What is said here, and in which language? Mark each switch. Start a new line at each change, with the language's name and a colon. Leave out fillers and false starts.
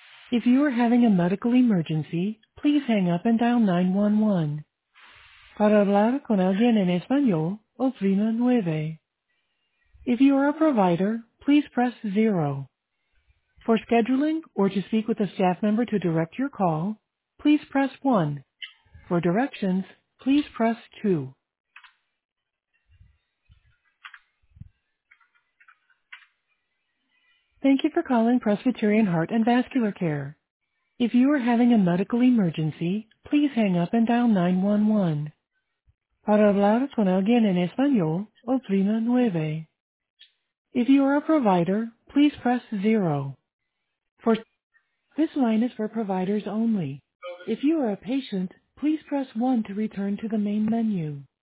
English: If you are having a medical emergency, please hang up and dial 911.
Spanish: Para hablar con alguien en español, oprima 9.
English: If you are a provider, please press 0. For scheduling or to speak with a staff member to direct your call, please press 1. For directions, please press 2. Thank you for calling Presbyterian Heart and Vascular Care. If you are having a medical emergency, please hang up and dial 911.
Spanish: Para hablar con alguien en español, oprima 9.
English: If you are a provider, please press 0. This line is for providers only. If you are a patient, please press 1 to return to the main menu.